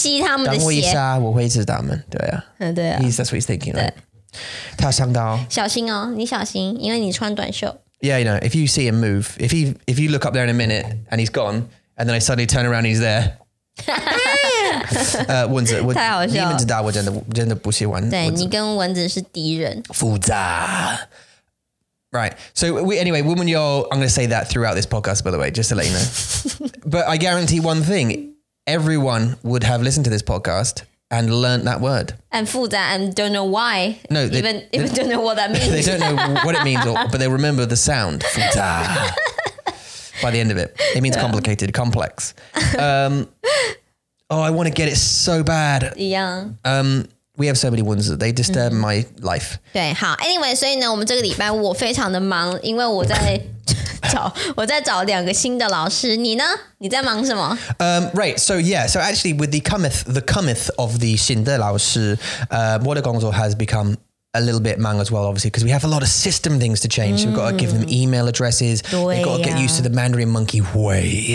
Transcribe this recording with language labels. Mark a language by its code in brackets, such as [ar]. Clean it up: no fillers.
[zh] 他在想我要怎么去吃他们,我要怎么去吸他们的血。等我一下,我会吃他们,对啊。对啊。 [en] That's what he's thinking, right? [zh] 他伤到。小心哦,你小心,因为你穿短袖。 [en] Yeah, you know, if you see him move, if you look up there in a minute and he's gone, and then I suddenly turn around and he's there. [zh] 蚊子,你们知道我真的不喜欢蚊子。对,你跟蚊子是敌人。复杂。 [en] Right, so I'm going to say that throughout this podcast, by the way, just to let you know. But I guarantee one thing, everyone would have listened to this podcast and learned that word. And 复杂 and don't know why. No, they don't know what that means. They don't know what it means, but they remember the sound. 复杂.By the end of it. It means complicated, complex. Oh, I want to get it so bad. Yeah. We have so many wounds that they disturb my life. [zh] 对,好, anyway, 所以呢,我们这个礼拜我非常的忙,因为我在找两个新的老师,你呢?你在忙什么? [en] Right, so yeah, so actually with the cometh of the [zh] 新的老师, 我的工作 [en] has become a little bit mang as well, obviously, because we have a lot of system things to change. We've got to give them email addresses. They've got to get used to the Mandarin monkey way.